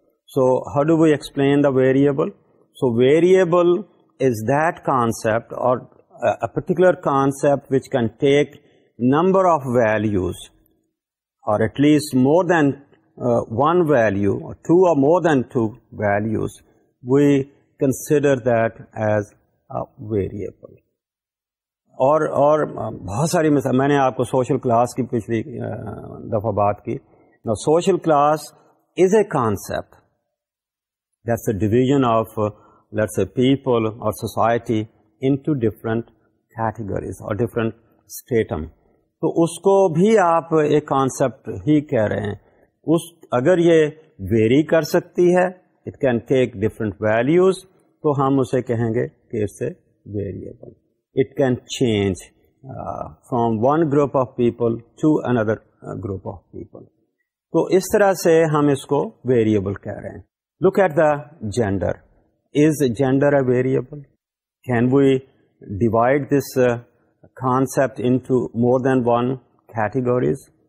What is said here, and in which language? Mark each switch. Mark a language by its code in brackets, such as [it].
[en] So how do we explain the variable? So variable is that concept or a particular concept which can take number of values or at least more than one value or two or more than two values, we consider that as a variable. [ur] اور بہت ساری مثال میں نے آپ کو social class کی پچھلی دفعہ بات کی. [en] نا social class is a concept, that's a division of let's a people اور society into different categories اور different stratum. [ur] تو اس کو بھی آپ ایک کانسیپٹ ہی کہہ رہے ہیں. اس اگر یہ ویری کر سکتی ہے, [en] it can take different values, [ur] تو ہم اسے کہیں گے کہ [en] It's a variable. It can change from one group of people to another group of people. [ur] So, is tarah se hum isko variable keh rahe hain. [en] Look at the gender. Is gender a variable? Can we divide this concept into more than one categories?